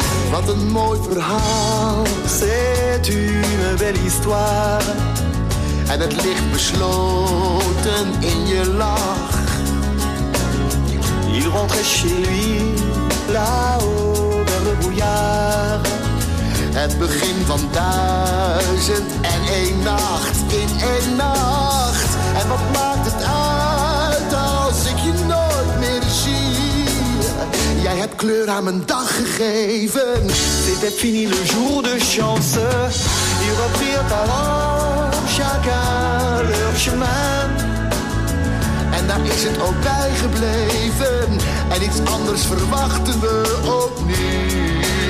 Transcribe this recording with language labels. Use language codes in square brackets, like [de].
[nl] Wat een mooi verhaal, [fr] c'est une belle histoire. [nl] En het ligt besloten in je lach. [fr] Il rentrait chez lui, là-haut, dans le brouillard. [nl] Het begin van duizend en één nacht, in één nacht. En wat maakt het uit als ik je nooit meer zie? Jij hebt kleur aan mijn dag gegeven. [fr] C'était fini le jour de chance. Il revient alors chacun leur chemin. [nl] En daar is het ook bij gebleven. En iets anders verwachten we opnieuw.